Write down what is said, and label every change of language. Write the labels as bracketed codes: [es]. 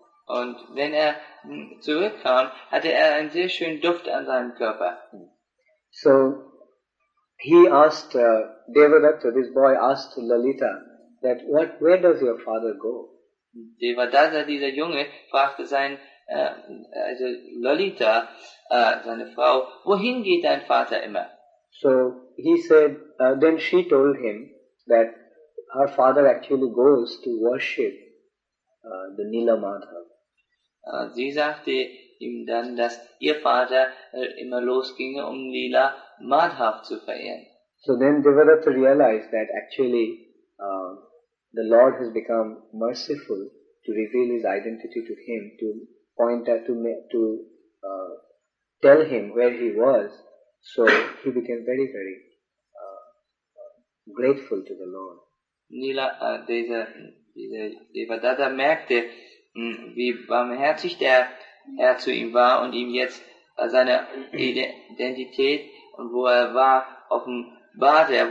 [de] Und wenn er zurückkam, hatte er einen sehr schönen Duft an seinem Körper. [en] So he asked Devadatta, this boy asked Lalita, that what, where does your father go? [de] Devadatta, dieser Junge, fragte seinen also Lalita, seine Frau, wohin geht dein Vater immer? [en] So he said, then she told him that her father actually goes to worship the Nila Madhav. [de] Sie sagte ihm dann, dass ihr Vater immer losginge, um Nila Madhav zu verehren. [en] So then Devadatta realized that actually the Lord has become merciful to reveal his identity to him, to point out to tell him where he was, so he became very, very grateful to the Lord. [de] Nila, dieser Devadatta merkte, wie barmherzig der Herr zu ihm war und ihm jetzt seine Identität und wo er war offenbarte.